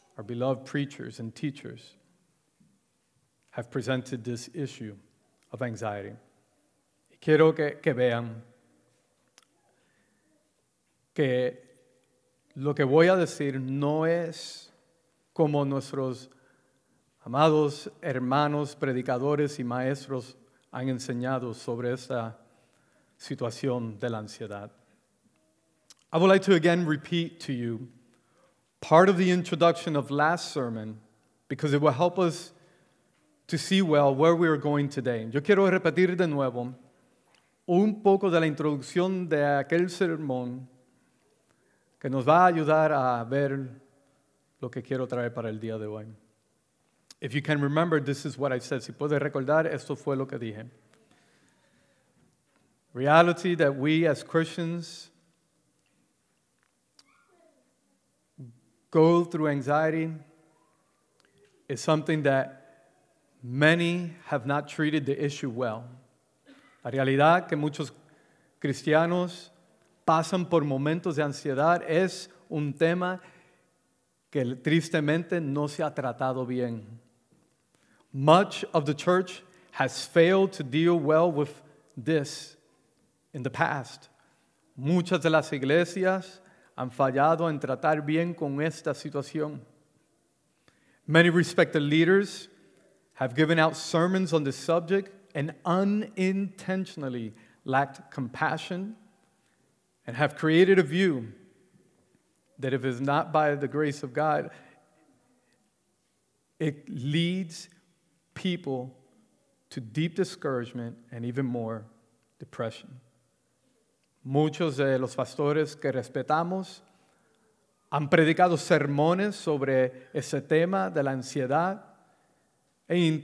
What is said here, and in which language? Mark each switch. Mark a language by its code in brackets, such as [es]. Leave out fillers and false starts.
[en] our beloved preachers and teachers have presented this issue of anxiety. [es] Quiero que vean que lo que voy a decir no es como nuestros amados hermanos, predicadores y maestros han enseñado sobre esta situación de la ansiedad. [en] I would like to again repeat to you part of the introduction of last sermon because it will help us to see well where we are going today. [es] Yo quiero repetir de nuevo un poco de la introducción de aquel sermón que nos va a ayudar a ver lo que quiero traer para el día de hoy. [en] If you can remember, this is what I said. [es] Si puedes recordar, esto fue lo que dije. [en] Reality that we as Christians go through anxiety is something that many have not treated the issue well. [es] La realidad que muchos cristianos pasan por momentos de ansiedad es un tema que tristemente no se ha tratado bien. [en] Much of the church has failed to deal well with this in the past. [es] Muchas de las iglesias han fallado en tratar bien con esta situación. [en] Many respected leaders have given out sermons on this subject and unintentionally lacked compassion and have created a view that if it's not by the grace of God, it leads people to deep discouragement and even more depression. [es] Muchos de los pastores que respetamos han predicado sermones sobre ese tema de la ansiedad e